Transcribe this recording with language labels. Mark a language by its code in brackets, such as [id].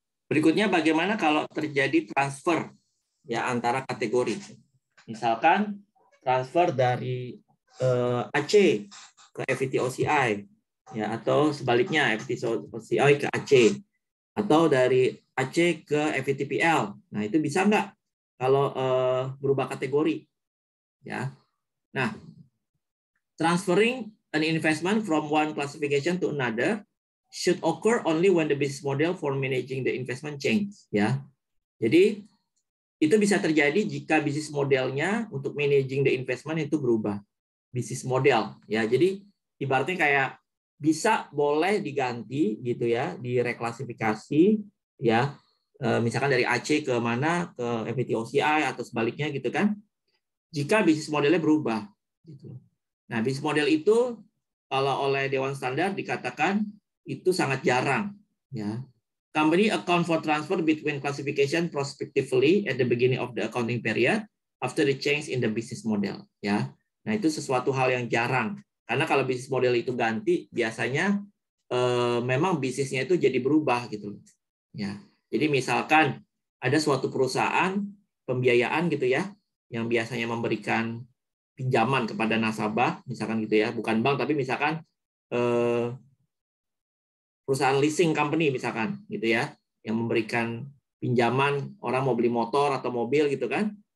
[id] Berikutnya bagaimana kalau terjadi transfer ya antara kategori, misalkan transfer dari AC ke FVT OCI ya, atau sebaliknya FVT OCI ke AC, atau dari AC ke FVTPL. Nah, itu bisa nggak kalau berubah kategori ya. [en] Nah, transferring an investment from one classification to another should occur only when the business model for managing the investment change. Ya, [id] Jadi itu bisa terjadi jika bisnis modelnya untuk managing the investment itu berubah. Bisnis model ya. Jadi ibaratnya kayak bisa boleh diganti gitu ya, direklasifikasi ya. Misalkan dari AC ke mana, ke FPT OCI atau sebaliknya gitu kan. Jika bisnis modelnya berubah gitu. Nah, bisnis model itu kalau oleh dewan standar dikatakan itu sangat jarang ya. [en] Company account for transfer between classification prospectively at the beginning of the accounting period after the change in the business model ya. [id] Nah, itu sesuatu hal yang jarang. Karena kalau bisnis model itu ganti biasanya memang bisnisnya itu jadi berubah gitu ya. Jadi misalkan ada suatu perusahaan pembiayaan gitu ya yang biasanya memberikan pinjaman kepada nasabah misalkan gitu ya, bukan bank tapi misalkan perusahaan leasing company misalkan gitu ya, yang memberikan pinjaman orang mau beli motor atau mobil gitu kan.